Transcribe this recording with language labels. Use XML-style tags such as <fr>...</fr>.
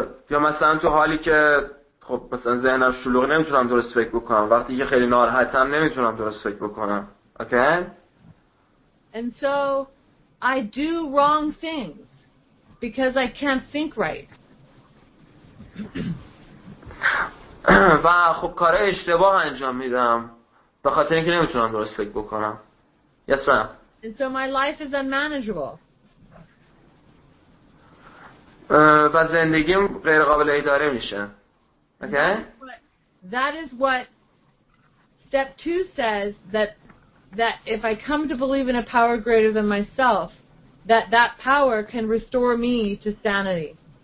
<fa>یا مثلا تو حالی که خب مثلا ذهنم شلوغ نمیتونم درست فکر بکنم. وقتی که خیلی ناراحتم نمیتونم درست فکر بکنم. اوکی.</fa> <en>And so I do wrong things because I can't think right.</en> <fa>و خب کارهای اشتباه انجام میدم به خاطر اینکه نمیتونم درست فکر بکنم.</fa> <en>Yes, ma'am. And so my life is unmanageable.</en> <fa>و زندگیم غیر قابل اداره میشه.</fa> <en>Okay? That is what step 2 says, that if I come to believe in a power greater than myself, that power can restore me to sanity.</en>